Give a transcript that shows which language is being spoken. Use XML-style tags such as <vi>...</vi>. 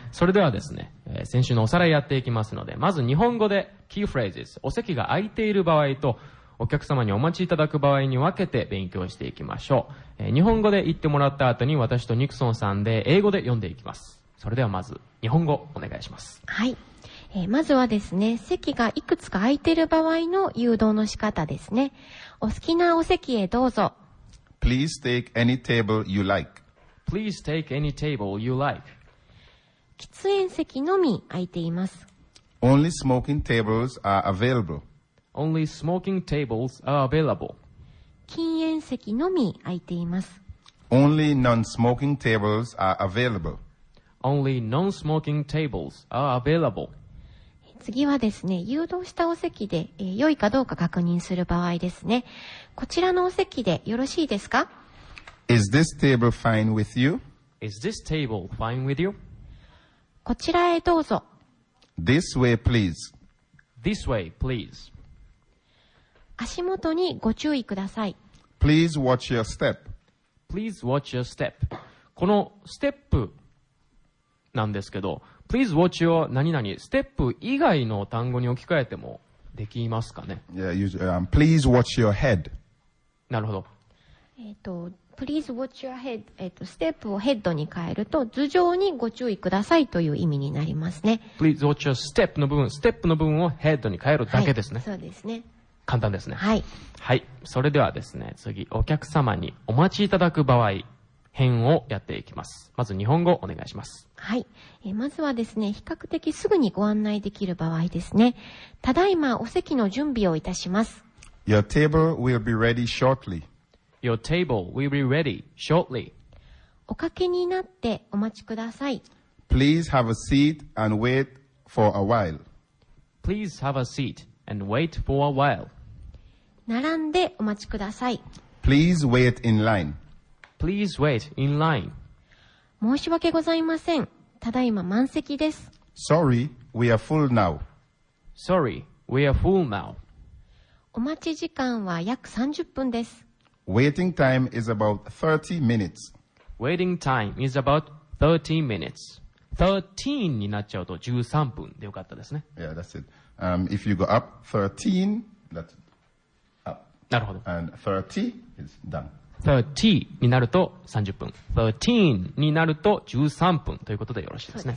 <ja>それではですね、先週のおさらいやっていきますので、まず日本語でキーフレーズ、お席が空いている場合とお客様にお待ちいただく場合に分けて勉強していきましょう。日本語で言ってもらった後に私とニクソンさんで英語で読んでいきます。それではまず日本語お願いします。はい、まずはですね、席がいくつか空いている場合の誘導の仕方ですね。お好きなお席へどうぞ。</ja> <en>Please take any table you like. Please take any table you like.</en> <ja>喫煙席のみ空いています。</ja> <en>Only smoking tables are available. Only smoking tables are available.</en> <ja>禁煙席のみ空いています。</ja> <en>Only non-smoking tables are available. Only non-smoking tables are available.</en> <ja>次はですね、誘導したお席で、良いかどうか確認する場合ですね。こちらのお席でよろしいですか？</ja> <en>Is this table fine with you? Is this table fine with you?</en> <ja>こちらへどうぞ。</ja> <en>This way please. This way please.</en> <ja>足元にご注意ください。</ja> <en>Please watch your step. Please watch your step.</en> <ja>このステップなんですけど、</ja> <en>Please watch your</en> <ja>何々、ステップ以外の単語に置き換えてもできますかね。</ja> <en>Please watch your head.</en> <ja>なるほど。</ja> <en>Please watch your head.</en> <ja>ステップをヘッドに変えると頭上にご注意くださいという意味になりますね。</ja> <en>Please watch your step</en> <ja>の部分、ステップの部分をヘッドに変えるだけですね。はい、そうですね。簡単ですね。はい。はい。それではですね、次、お客様にお待ちいただく場合編をやっていきます。まず日本語お願いします。はい、まずはですね、比較的すぐにご案内できる場合ですね。ただいまお席の準備をいたします。</ja> <en>Your table will be ready shortly. Your table will be ready shortly.</en> <ja>おかけになってお待ちください。</ja> <en>Please have a seat and wait for a while. Please have a seat and wait for a while.</en> <ja>並んでお待ちください。</ja> <en>Please wait in line Please wait in line.</en> <ja>申し訳ございません。ただいま満席です。</ja> <en>Sorry, we are full now. Sorry, we are full now.</en> <ja>お待ち時間は約30分です。</ja> <en>Waiting time is about 30 minutes. Waiting time is about 30 minutes.</en> <ja>13になっちゃうと13分でよかったですね。</ja> <en>Yeah, that's it. If you go up 13, that's up.</en> <ja>なるほど。</ja> <en>And 30 is done.</en> <ja>30になると30分。 13になると13分ということでよろしいですね。</ja>